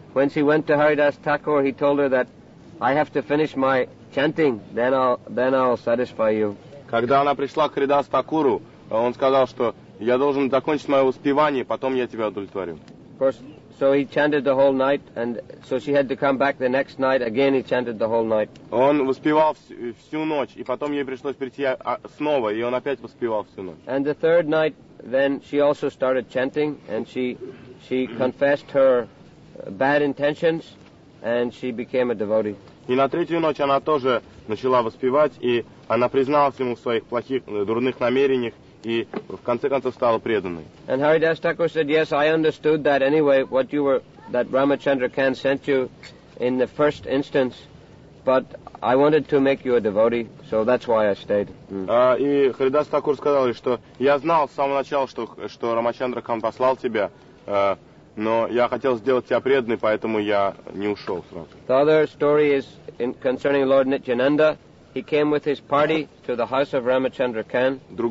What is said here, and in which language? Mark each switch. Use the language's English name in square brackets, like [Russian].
[English] When she went to Haridas Thakur, he told her that I have to finish my chanting, then I'll satisfy you. [Russian] Когда она пришла к Харидас Такуру, он сказал, что я должен закончить мое воспевание, потом я тебя удовлетворю. [English] So he chanted the whole night, and so she had to come back the next night. Again, he chanted the whole night. [Russian] Он воспевал всю ночь, и потом ей пришлось прийти снова, и он опять воспевал всю ночь. [English] And the third night, then she also started chanting, and she confessed her bad intentions, and she became a devotee. [Russian] И на третью ночь она тоже начала воспевать, и она призналась ему в своих плохих, дурных намерениях. И в конце концов стала преданной. [English] And Haridas Thakur said, "Yes, I understood that anyway. What you were, that Ramachandra Khan sent you in the first instance, but I wanted to make you a devotee, so that's why I stayed." [Russian] И Харидас Такур сказал, что я знал с самого начала, что Рамачандра Кан послал тебя, но я хотел сделать тебя преданной, поэтому я не ушел сразу. [English] The other story is concerning Lord Nityananda. He came with his party to the house of Ramachandra Khan.